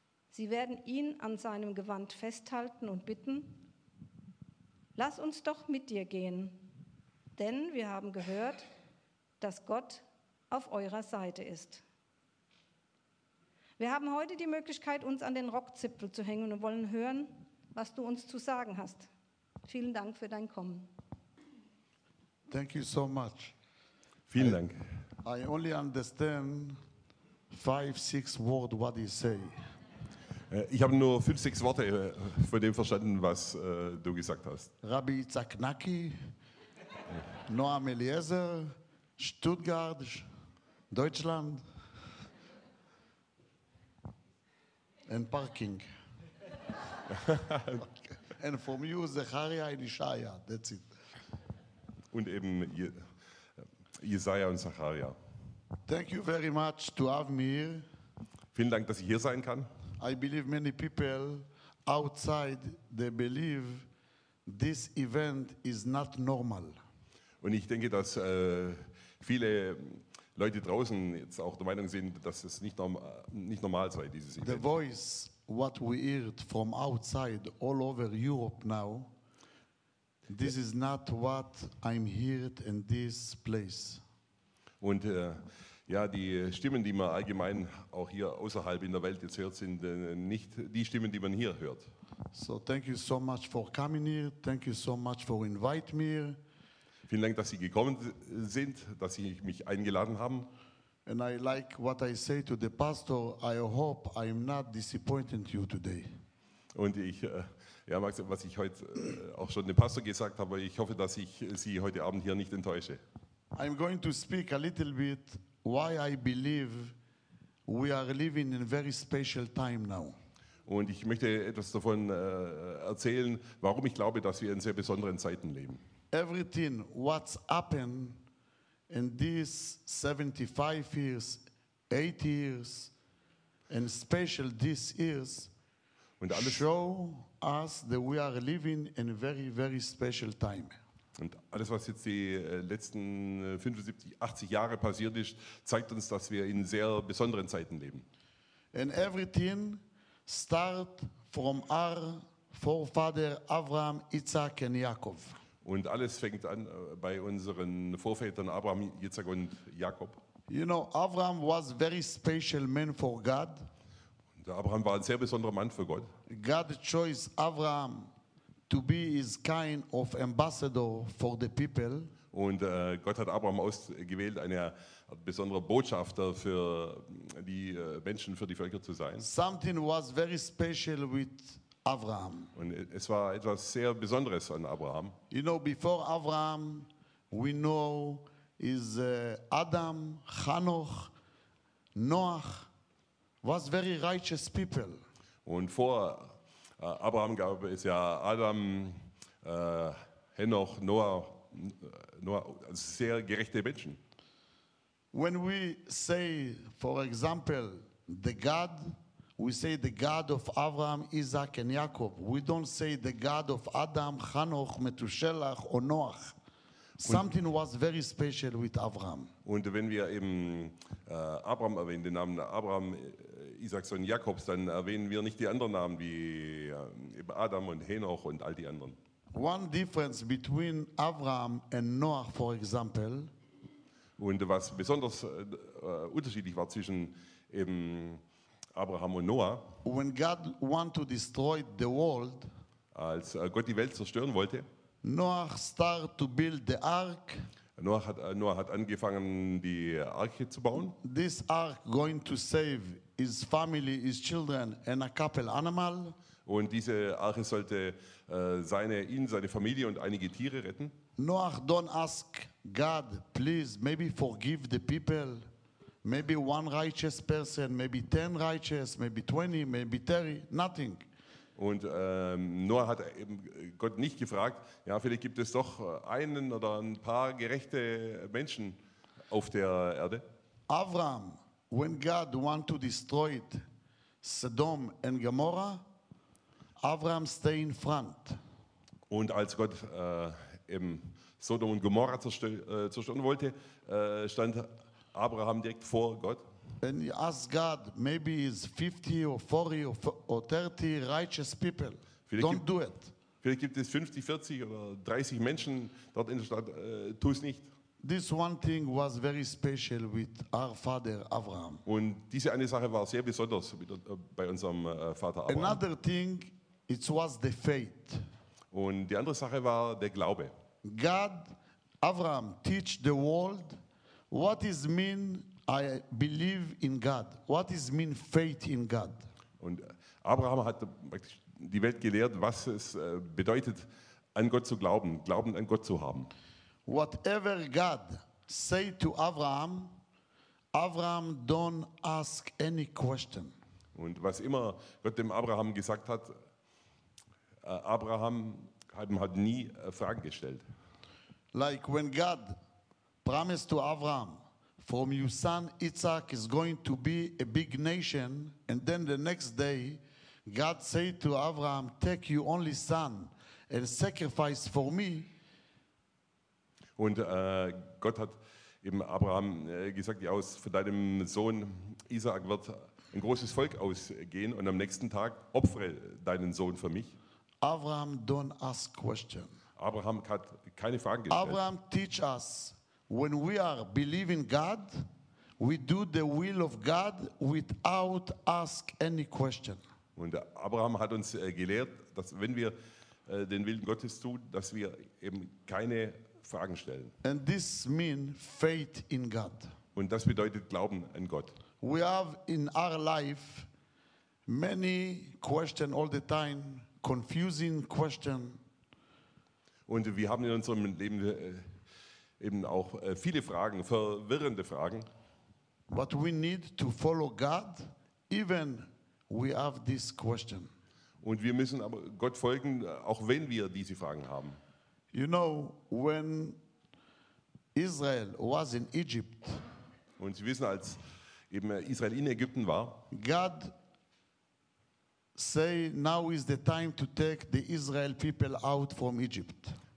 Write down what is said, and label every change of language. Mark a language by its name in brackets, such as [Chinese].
[German] Sie werden ihn an seinem Gewand festhalten und bitten: Lass uns doch mit dir gehen, denn wir haben gehört, dass Gott auf eurer Seite ist. Wir haben heute die Möglichkeit, uns an den Rockzipfel zu hängen und wollen hören, was du uns zu sagen hast. Vielen Dank für dein Kommen. [English] Thank you so much. [German] Vielen Dank. [English] I only understand five, six words what you say. [German] Ich habe nur 5, 6 Worte von dem verstanden, was du gesagt hast. Rabbi Tzaknaki, Noam Eliezer, Stuttgart, Deutschland. [English] And parking. And from you, Zechariah and Ishaya. That's it. [German] Und eben Jesaja und Zacharia. [English] Thank you very much to have me. [German] Vielen Dank, dass ich hier sein kann. [English] I believe many people outside they believe this event is not normal. [German] Und ich denke, dass viele Leute draußen jetzt auch der Meinung sind, dass es nicht normal sei, dieses [English] The Event. voice what we heard from outside all over Europe now, this is not what I'm heard in this place. [German] Und ja, die Stimmen, die man allgemein auch hier außerhalb in der Welt jetzt hört, sind nicht die Stimmen, die man hier hört. [English] So thank you so much for coming here. Thank you so much for invite me. [German] Vielen Dank, dass Sie gekommen sind, dass Sie mich eingeladen haben. [English] And I like what I say to the pastor. I hope I'm not disappointing you today. [German] Und ja, Max, was ich heute auch schon dem Pastor gesagt habe, ich hoffe, dass ich Sie heute Abend hier nicht enttäusche. [English] I'm going to speak a little bit why I believe we are living in a very special time now. [German] Und ich möchte etwas davon erzählen, warum ich glaube, dass wir in sehr besonderen Zeiten leben. [English] Everything what's happened in these 75 years, 80 years, and special these years [German] Und alles, [English] show us that we are living in a very, very special time. [German] Und alles, was jetzt die letzten 75, 80 Jahre passiert ist, zeigt uns, dass wir in sehr besonderen Zeiten leben. [English] And everything start from our forefather Abraham, Isaac and Jacob. [German] Und alles fängt an bei unseren Vorvätern Abraham, Isaak und Jakob. [English] You know, Abraham was very special man for God. [German] Und Abraham war ein sehr besonderer Mann für Gott. [English] God chose Abraham to be his kind of ambassador for the people. [German] Und Gott hat Abraham ausgewählt, ein besonderer Botschafter für die Menschen, für die Völker zu sein. [English] Something was very special with Abraham. [German] Und es war etwas sehr Besonderes an Abraham. [English] You know, before Abraham, we know is Adam, Hanoch, Noach, was very righteous people. [German] Und vor Abraham gab es ja Adam, Henoch, Noah, also sehr gerechte Menschen. [English] When we say, for example, the God, we say the God of Abraham, Isaac, and Jacob. We don't say the God of Adam, Hanoch, Methuselah, or Noach. Something was very special with Abraham. [German] Und wenn wir eben Abraham erwähnen, den Namen Abraham, Isaac und Jakobs, dann erwähnen wir nicht die anderen Namen wie eben Adam und Henoch und all die anderen. [English] One difference between Abraham and Noah, for example. [German] Und was besonders unterschiedlich war zwischen eben Abraham und Noah. [English] When God wanted to destroy the world, [German] als Gott die Welt zerstören wollte, [English] Noah started to build the ark. [German] Noah hat angefangen, die Arche zu bauen. [English] This ark going to save his family, his children, and a couple animal. [German] Und diese Arche sollte seine Familie und einige Tiere retten. [English] Noah don't ask God, please, maybe forgive the people, maybe one righteous person, maybe 10 righteous, maybe 20, maybe 30, nothing. [German] Und Noah hat eben Gott nicht gefragt, ja, vielleicht gibt es doch einen oder ein paar gerechte Menschen auf der Erde. [English] Abraham, when God wanted to destroy it, Sodom and Gomorrah, Abraham stay in front. [German] Und als Gott eben Sodom und Gomorrah zerstören wollte, stand Abraham direkt vor Gott. [English] And he asked God, maybe it's 50 or 40 or 30 righteous people. [German] Vielleicht [English] don't do it. [German] Vielleicht gibt es 50, 40 oder 30 Menschen dort in der Stadt. Tu es nicht. [English] This one thing was very special with our father Abraham. [German] Und diese eine Sache war sehr besonders bei unserem Vater Abraham. [English] Another thing, it was the faith. [German] Und die andere Sache war der Glaube. [English] God, Abraham, teach the world what is mean I believe in God. What is mean faith in God? [German] Und Abraham hat die Welt gelehrt, was es bedeutet, an Gott zu glauben, Glauben an Gott zu haben. [English] Whatever God say to Abraham, Abraham don't ask any question. [German] Und was immer Gott dem Abraham gesagt hat, Abraham hat nie Fragen gestellt. [English] Like when God promised to Abraham, from your son Isaac is going to be a big nation, and then the next day, God said to Abraham, take your only son and sacrifice for me. [German] Und Gott hat eben Abraham gesagt, ja, von deinem Sohn Isaac wird ein großes Volk ausgehen, und am nächsten Tag opfere deinen Sohn für mich. [English] Abraham don't ask question. [German] Abraham hat keine Fragen gestellt. [English] Abraham teach us, when we are believing God, we do the will of God without ask any question. [German] Und Abraham hat uns gelehrt, dass wenn wir den Willen Gottes tun, dass wir eben keine Fragen stellen. [English] And this mean faith in God. [German] Und das bedeutet Glauben an Gott. [English] We have in our life many question all the time, confusing question. [German] Und wir haben in unserem Leben eben auch viele Fragen, verwirrende Fragen. [English] But we need to follow God, even we have this question. [German] Und wir müssen aber Gott folgen, auch wenn wir diese Fragen haben. [English] You know, when Israel was in Egypt, [German] und Sie wissen, als eben Israel in Ägypten war, [English] God say, now is the time to take the Israel people out from Egypt.